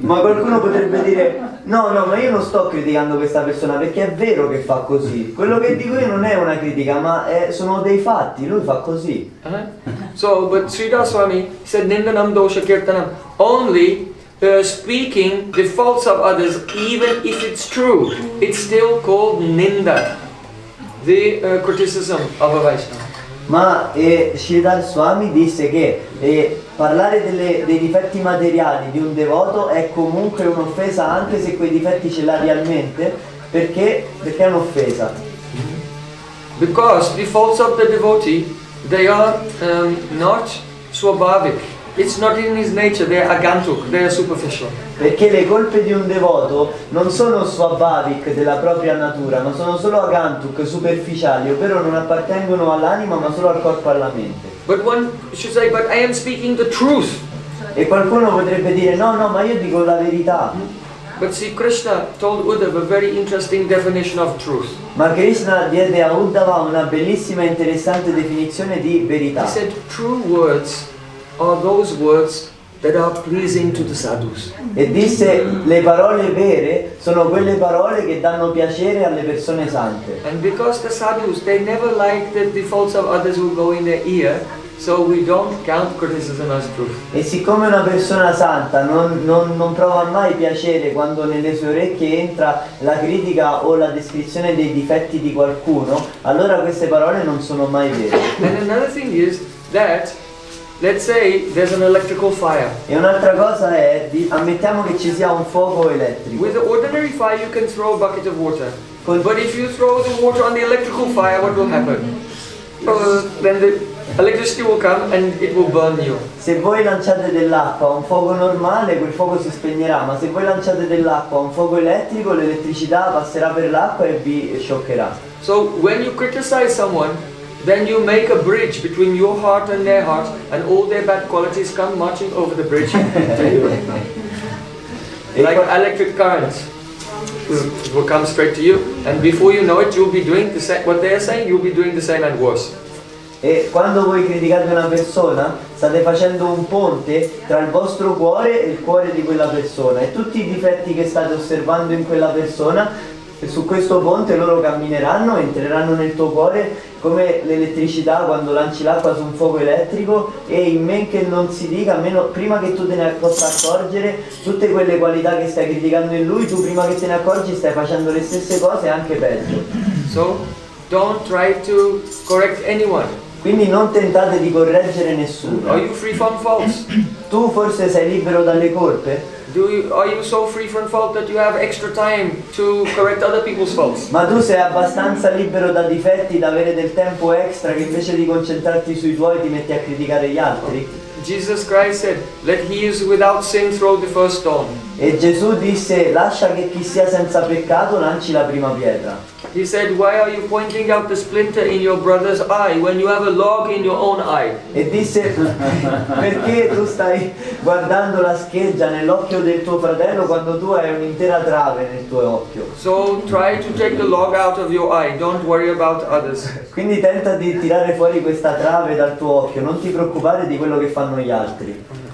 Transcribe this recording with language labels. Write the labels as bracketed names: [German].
[Italian] Ma qualcuno potrebbe dire no, ma io non sto criticando questa persona perché è vero che fa così. Quello che dico io non è una critica, ma sono dei fatti, lui fa così. [English] So, but Sridhar Swami said [Sanskrit] nindanam dosha kirtanam [English] only speaking the faults of others, even if it's true, it's still called ninda, the criticism of a Vaishnava. [Italian] Ma Sridhar Swami disse che parlare dei difetti materiali di un devoto è comunque un'offesa, anche se quei difetti ce l'ha realmente. Perché? Perché è un'offesa. [English] Because the faults of the devotee, they are not swabhavic. It's not in his nature, they are agantuk, they are superficial. [Italian] Perché le colpe di un devoto non sono swabhavik della propria natura, ma sono solo agantuk, superficiali, ovvero non appartengono all'anima ma solo al corpo e alla mente. [English] But one should say, but I am speaking the truth. [Italian] E qualcuno potrebbe dire, no, no, ma io dico la verità. [English] But see, Krishna told Uddhava a very interesting definition of truth. [Italian] Ma Krishna diede a Uddhava una bellissima e interessante definizione di verità. [English] He said, true words are those words that are pleasing to the sadhus. [Italian] E disse, le parole vere sono quelle parole che danno piacere alle persone sante. [English] And because the sadhus, they never like that the faults of others will go in their ear, so we don't count criticism as truth. [Italian] E siccome una persona santa non prova mai piacere quando nelle sue orecchie entra la critica o la descrizione dei difetti di qualcuno, allora queste parole non sono mai vere. [English] And another thing is that, let's say there's an electrical fire. [Italian] E un'altra cosa è, ammettiamo che ci sia un fuoco elettrico. [English] With an ordinary fire you can throw a bucket of water. But if you throw the water on the electrical fire, what will happen? Then the electricity will come and it will burn you. [Italian] Se voi lanciate dell'acqua a un fuoco normale, quel fuoco si spegnerà, ma se voi lanciate dell'acqua a un fuoco elettrico, l'elettricità passerà per l'acqua e vi scioccherà. [English] So when you criticize someone, then you make a bridge between your heart and their heart, and all their bad qualities come marching over the bridge to you. Like electric currents will come straight to you, and before you know it, you'll be doing the same, what they are saying, you'll be doing the same and worse. [Italian] E quando voi criticate una persona, state facendo un ponte tra il vostro cuore e il cuore di quella persona, e tutti i difetti che state osservando in quella persona, su questo ponte loro cammineranno, entreranno nel tuo cuore come l'elettricità quando lanci l'acqua su un fuoco elettrico, e in men che non si dica, meno, prima che tu te ne possa accorgere, tutte quelle qualità che stai criticando in lui, tu prima che te ne accorgi stai facendo le stesse cose e anche peggio. [English] So, don't try to correct anyone. [Italian] Quindi non tentate di correggere nessuno. [English] Are you free from faults? [Italian] Tu forse sei libero dalle colpe? [English] Are you so free from fault that you have extra time to correct other people's faults? [Italian] Ma tu sei abbastanza libero da difetti da avere del tempo extra che invece di concentrarti sui tuoi ti metti a criticare gli altri? [English] Jesus Christ said, let he who is without sin throw the first stone. [Italian] E Gesù disse, lascia che chi sia senza peccato lanci la prima pietra. [English] He said, why are you pointing out the splinter in your brother's eye when you have a log in your own eye? [Italian] E disse, perché tu stai guardando la scheggia nell'occhio del tuo fratello quando tu hai un'intera trave nel tuo occhio? [English] So try to take the log out of your eye, don't worry about others. [Italian] Quindi tenta di tirare fuori questa trave dal tuo occhio, non ti preoccupare di quello che fanno gli altri.